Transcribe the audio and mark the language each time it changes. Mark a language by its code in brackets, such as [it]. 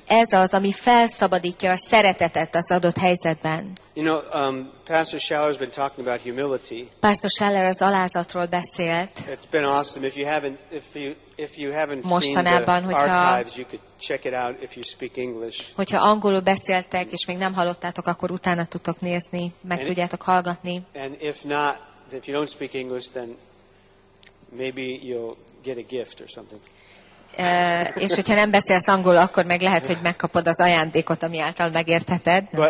[hu] Ez az, ami felszabadítja a szeretetet az adott helyzetben. [en] You know, Pastor Schaller's been talking about humility. [hu] Pastor Schaller az alázatról beszélt. [en] It's been awesome. If you haven't seen the archives, you could check it out if you speak English. [hu] Hogyha angolul beszéltek és még nem hallottátok, akkor utána tudtok nézni, meg tudjátok hallgatni. [en] And if not, if you don't speak English, then maybe you'll get a gift or something. [hu] És hogyha nem beszélsz angolul, akkor meg lehet, hogy megkapod az ajándékot, ami által megérteted.